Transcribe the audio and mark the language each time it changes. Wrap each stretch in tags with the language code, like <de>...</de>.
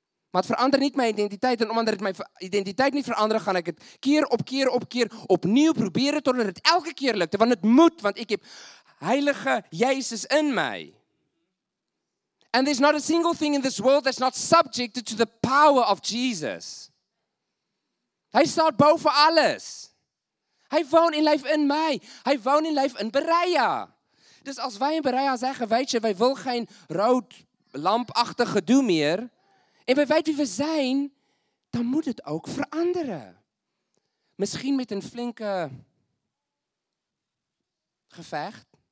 <nl>Maar het verandert niet mijn identiteit. En omdat het mijn identiteit niet verandert, ga ik het keer op keer op keer opnieuw proberen, totdat het elke keer lukt. Want het moet, want ik heb heilige Jezus in mij.</nl> <en>And there's not a single thing in this world that's not subjected to the power of Jesus.</en> <nl>Hij staat boven alles. Hij woont in lijf in mij. Hij woont in lijf in Berea. Dus als wij in Berea zeggen, weet je, wij willen geen rood lampachtig gedoe meer. En wij weten wie we zijn, dan moet het ook veranderen. Misschien met een flinke gevecht.</nl>